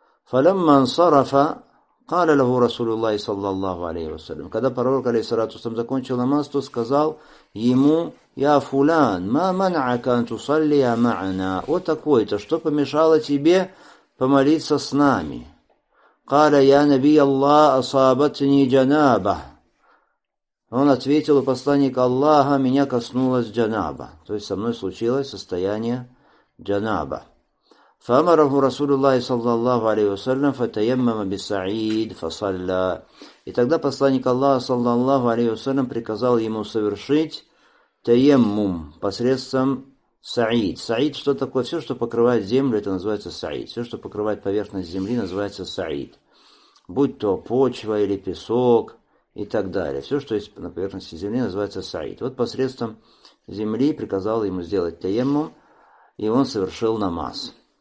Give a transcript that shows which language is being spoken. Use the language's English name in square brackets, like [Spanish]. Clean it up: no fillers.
[Arabic] فَلَمَّا انْصَرَفَ قَالَ لَهُ رَسُولُ اللَّهِ صَلَّى اللَّهُ عَلَيْهِ وَسَلَّمَ [Russian] когда пророк, алейхиссалату вассалям, закончил намаз, то сказал ему, [Arabic] «Я фулан, ма манъака ан тусаллия маана» [Russian] «О такой-то, что помешало тебе помолиться с нами?» [Arabic] قَالَ يَا نَبِيَ اللَّهِ أَصَابَتْنِي جَنَابَهُ [Russian] Он ответил, посланник Аллаха, меня коснулось джанаба. То есть со мной случилось состояние джанаба. [Arabic] فَأَمَرَهُ رَسُولُ اللَّهِ صَلَّى اللَّهُ عَلَيْهِ وَسَلَّمَ فَتَيَمَّمَ بِسَعِيدٍ فَصَلَّى [Russian] И тогда посланник Аллаха, [Arabic] صَلَّى اللَّهُ عَلَيْهِ وَسَلَّمَ [Russian] приказал ему совершить тайеммум посредством Саид. Саид что такое? Все, что покрывает землю, это называется саид. Все, что покрывает поверхность земли, называется саид. Будь то почва или песок и так далее. Все, что есть на поверхности земли, называется саид. Вот посредством земли приказал ему сделать таеммум, и он совершил намаз.